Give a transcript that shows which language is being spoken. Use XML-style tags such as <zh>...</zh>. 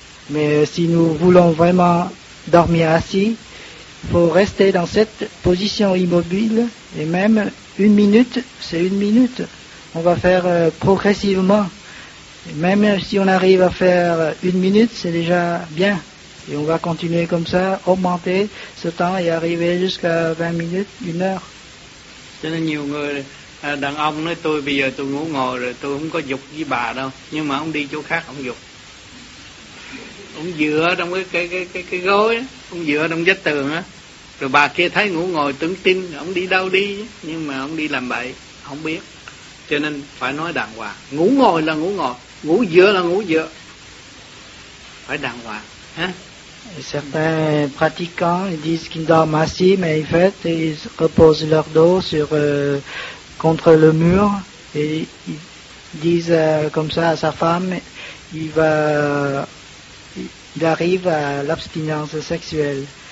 <fr>Mais si nous voulons vraiment dormir assis, il faut rester dans cette position immobile, et même une minute, c'est une minute. On va faire progressivement. Et même si on arrive à faire une minute, c'est déjà bien. Et on va continuer comme ça, augmenter ce temps et arriver jusqu'à 20 minutes, une heure.</fr> <vi>Cho nên nhiều người đàn ông nói tôi bây giờ tôi ngủ ngồi rồi tôi không có dục với bà đâu, nhưng mà ông đi chỗ khác ông dục, ông dựa trong cái gối, ông dựa trong vách tường á, rồi bà kia thấy ngủ ngồi tưởng tin ông đi đâu đi, nhưng mà ông đi làm bậy không biết. Cho nên phải nói đàng hoàng, ngủ ngồi là ngủ ngồi, ngủ dựa là ngủ dựa, phải đàng hoàng hả.</vi> <fr>Certains pratiquants ils disent qu'ils dorment assis, mais en fait, ils reposent leur dos sur contre le mur et ils disent comme ça à sa femme, il arrive à l'abstinence sexuelle.</fr>